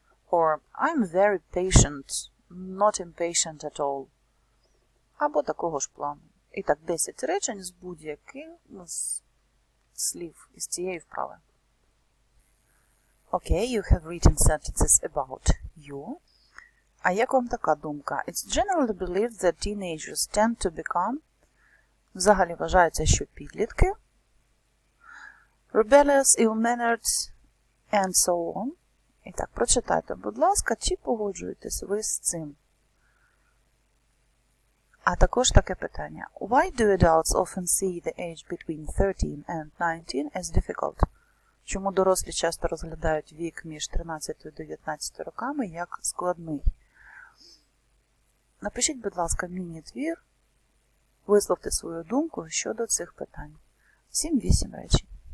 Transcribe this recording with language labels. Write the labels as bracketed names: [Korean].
[English] Or I'm very patient, not impatient at all. [Ukrainian] Або такого ж плану. І так, 10 речень з будь-яким з слів із цієї вправи. [English] Okay, you have written sentences about you. [Ukrainian] А як вам така думка? [English] It's generally believed that teenagers tend to become, [Ukrainian] взагалі вважається, що підлітки, [English] rebellious, ill-mannered, and so on. [Ukrainian] І так, прочитайте, будь ласка, чи погоджуєтесь ви з цим? А також таке питання. [English] Why do adults often see the age between 13 and 19 as difficult? [Ukrainian] Чому дорослі часто розглядають вік між 13 і 19 роками як складний? Напишіть, будь ласка, міні-твір, висловте свою думку щодо цих питань. 7-8 речень.